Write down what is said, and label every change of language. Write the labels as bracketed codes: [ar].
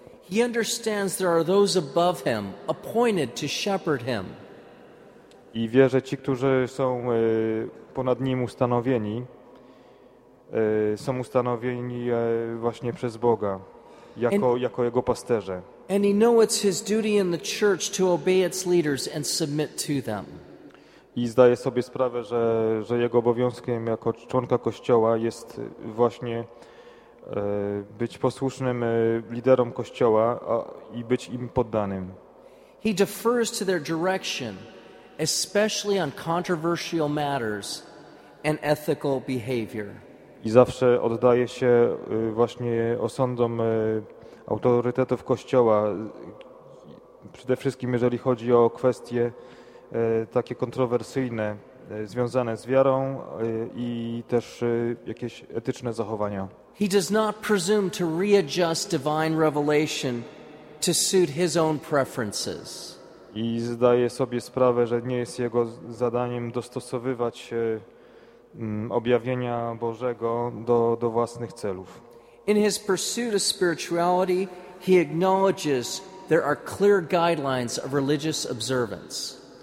[en] He understands there are those above him, appointed to shepherd him. [pl] I wie, że ci, którzy są ponad nim ustanowieni, są ustanowieni właśnie przez Boga, jako jego pasterze. [en] And he knows it's his duty in the church to obey its leaders and submit to them. [pl] I zdaje sobie sprawę, że jego obowiązkiem jako członka Kościoła jest właśnie być posłusznym liderom Kościoła i być im poddanym. [en] He defers to their direction, especially on controversial matters and ethical behavior. [pl] I zawsze oddaje się właśnie osądom autorytetów Kościoła, przede wszystkim jeżeli chodzi o kwestie takie kontrowersyjne, związane z wiarą i też jakieś etyczne zachowania. [en] He does not presume to readjust divine revelation to suit his own preferences. [pl] I zdaje sobie sprawę, że nie jest jego zadaniem dostosowywać objawienia Bożego do własnych celów. [en] In his pursuit of spirituality, he acknowledges there are clear guidelines of religious observance.